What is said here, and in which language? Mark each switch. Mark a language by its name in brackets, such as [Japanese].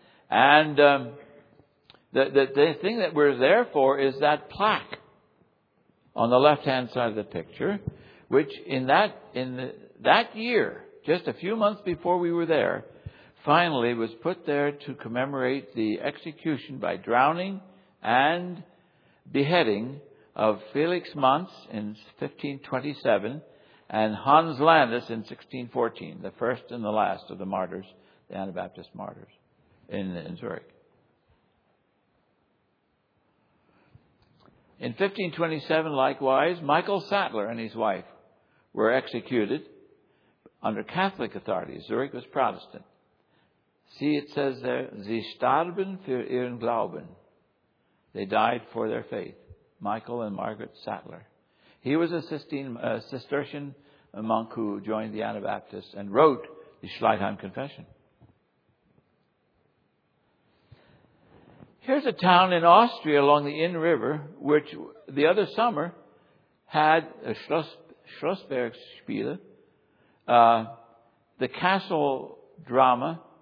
[English] And the thing that we're there for is that plaque on the left-hand side of the picture, which in that year, just a few months before we were there, finally was put there to commemorate the execution by drowning and beheading of Felix Manz in 1527 and Hans Landis in 1614, the first and the last of the martyrs, the Anabaptist martyrs. In Zurich. In 1527, likewise, Michael Sattler and his wife were executed under Catholic authority. Zurich was Protestant. See, it says there, [German] sie starben für ihren Glauben. [English] They died for their faith, Michael and Margaret Sattler. He was a Cistercian monk who joined the Anabaptists and wrote the Schleitheim Confession. Here's a town in Austria along the Inn River, which the other summer had a Schlossbergspiele, the castle drama.